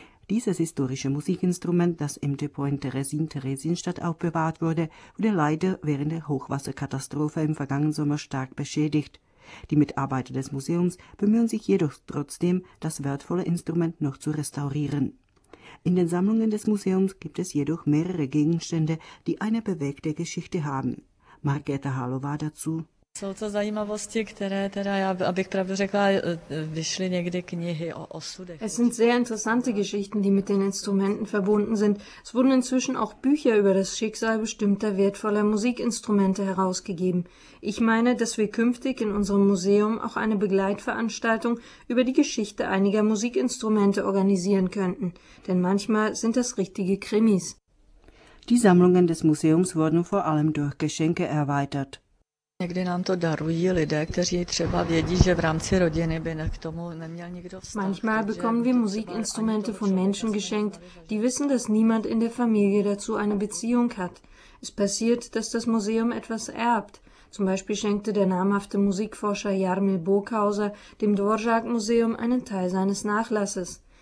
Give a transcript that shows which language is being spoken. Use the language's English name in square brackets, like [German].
[German] Dieses historische Musikinstrument, das im Depot in Theresienstadt aufbewahrt wurde, wurde leider während der Hochwasserkatastrophe im vergangenen Sommer stark beschädigt. Die Mitarbeiter des Museums bemühen sich jedoch trotzdem, das wertvolle Instrument noch zu restaurieren. In den Sammlungen des Museums gibt es jedoch mehrere Gegenstände, die eine bewegte Geschichte haben. Markéta Halová dazu. [Czech] Jsou to zajímavosti, které teda, já, abych pravdu řekla, vyšly někdy knihy o osudech. [German] Es sind sehr interessante Geschichten, die mit den Instrumenten verbunden sind. Es wurden inzwischen auch Bücher über das Schicksal bestimmter wertvoller Musikinstrumente herausgegeben. Ich meine, dass wir künftig in unserem Museum auch eine Begleitveranstaltung über die Geschichte einiger Musikinstrumente organisieren könnten. Denn manchmal sind das richtige Krimis. Die Sammlungen des Museums wurden vor allem durch Geschenke erweitert. [Czech] Někdy nám to darují lidé, kteří třeba vědí, že v rámci rodiny by k tomu neměl nikdo vztah. [German] Manchmal bekommen wir Musikinstrumente von Menschen geschenkt, die wissen, dass niemand in der Familie dazu eine Beziehung hat. Es passiert, dass das Museum etwas erbt. Zum Beispiel schenkte der namhafte Musikforscher Jarmil Burghauser dem Dvořák-Museum einen Teil seines Nachlasses.